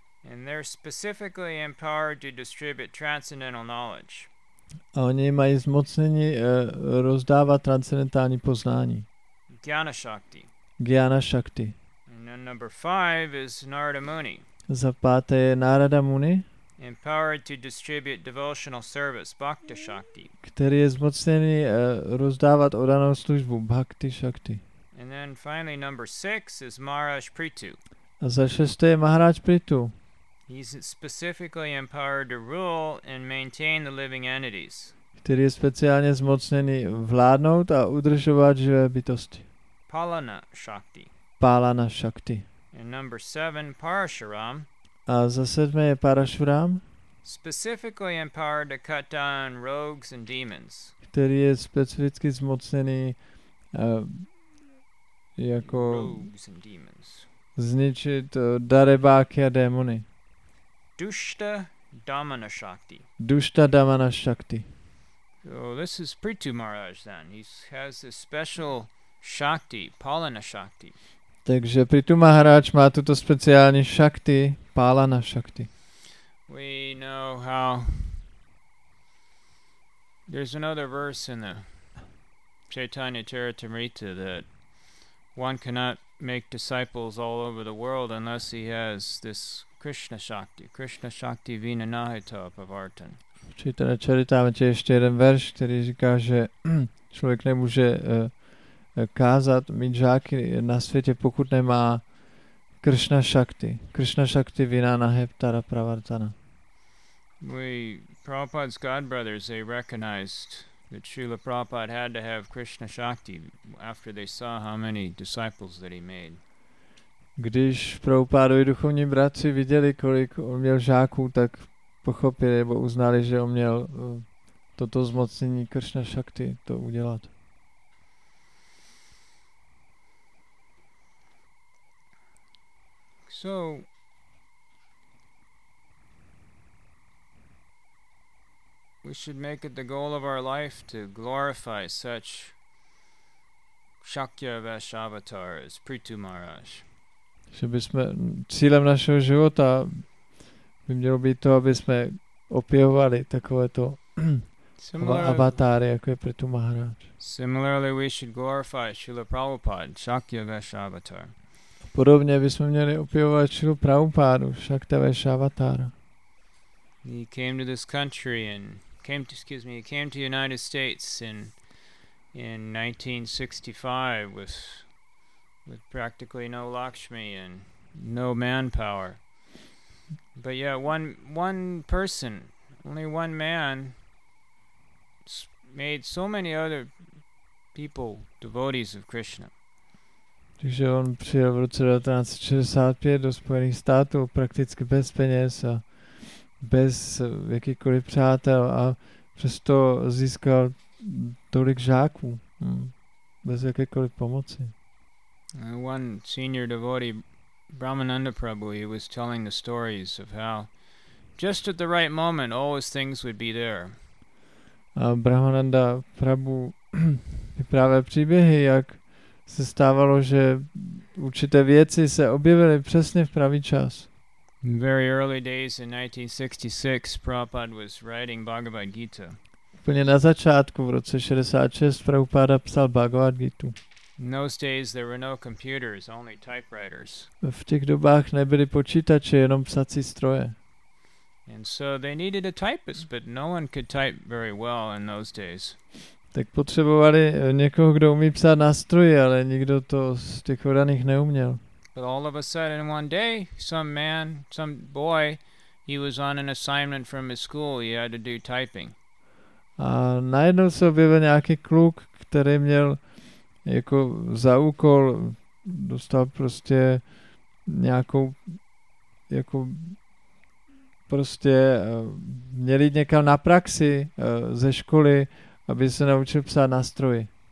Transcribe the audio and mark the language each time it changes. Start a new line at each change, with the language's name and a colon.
English: And they're specifically empowered to distribute transcendental knowledge.
Czech: A oni mají zmocnění rozdávat transcendentální poznání.
Sanskrit: Gyana Shakti. Gyana Shakti.
English: And then number five is Narada Muni.
Czech: Za páté je Narada Muni,
English: empowered to distribute devotional service, Bhakti Shakti,
Czech: který je zmocněný rozdávat odanou službu, Bhakti Shakti.
English: And then finally number six is Maharaj Prithu.
Czech: A za šesté je Maharaj Prithu.
English: He's specifically empowered to rule and maintain the living entities.
Czech: Který je speciálně zmocněný vládnout a udržovat živé bytosti.
Sanskrit: Palana Shakti. Palana Shakti.
English: And number seven, Parashuram.
Czech: A za sedmé je Parashuram.
English: Specifically empowered to cut down rogues and demons.
Czech: Který je specificky zmocněný jako
English: rogues and demons.
Czech: Zničit darebáky a démony.
Sanskrit: Dushta Damana Shakti. Dushta Damana Shakti.
English: So this is Prithu Maharaj then. He has this special Shakti, Palana Shakti.
Czech: Takže Prithu Maharaj má tuto speciální šakti, pálana šakti.
English: We know how there's another verse in the Chaitanya Charitamrita that one cannot make disciples all over the world unless he has this
Sanskrit: Krishna Shakti Vina Nahita Pavartan.
Czech: V Chaitanya Charitamrita je ještě jeden verš, který říká, že člověk nemůže kázat, mít žáky na světě, pokud nemá Krishna Shakti.
Sanskrit: Krishna Shakti Vinana Heptara Pravartana.
English: We, Prabhupada's godbrothers, they recognized that Srila Prabhupada had to have Krishna Shakti after they saw how many disciples that he made.
Czech: Když Prabhupádovi duchovní bratři viděli, kolik on měl žáků, tak pochopili nebo uznali, že on měl toto zmocnění Krishna Shakti to udělat.
English: So, we should make it the goal of our life to glorify such Shakya Vesh Avatar as Prithu Maharaj.
Czech: Že bychom, cílem našeho života by mělo být to, aby jsme opěvovali takovéto avatáry, jako je Prithu Maharaj.
English: Similarly, we should glorify Srila Prabhupada, Shakya Vesh Avatar.
Czech: Podobně bychom měli opěvovat Srila Prabhupádu, Shakta Vesh Avatara.
English: He came to this country and came to the United States in 1965 with practically no Lakshmi and no manpower. But yeah, one man made so many other people devotees of Krishna.
Czech: Takže on přijel v roce 1965 do Spojených států prakticky bez peněz a bez jakýkoliv přátel a přesto získal tolik žáků bez jakékoliv pomoci.
English: One senior devotee, Brahmananda Prabhu, he was telling the stories of how just at the right moment always things would be there.
Czech: A Brahmananda Prabhu vyprávěl příběhy, jak se stávalo, že určité věci se objevily přesně v pravý čas.
English: In very early days in 1966, Prabhupada was writing Bhagavad Gita.
Czech: Úplně na začátku v roce 66 Prabhupada psal Bhagavad Gitu.
English: In those days there were no computers, only typewriters.
Czech: V těch dobách nebyly počítače, jenom psací stroje.
English: And so they needed a typist, but no one could type very well in those days.
Czech: Tak potřebovali někoho, kdo umí psát na stroji, ale nikdo to z těch odaných neuměl.
English: But all of a sudden one day, some man, some boy He was on an assignment from his school. He had to do typing.
Czech: A najednou se objevil nějaký kluk, který měl jako za úkol, dostal prostě nějakou jako prostě měl jít někam na praxi ze školy, aby se naučil psát na stroji.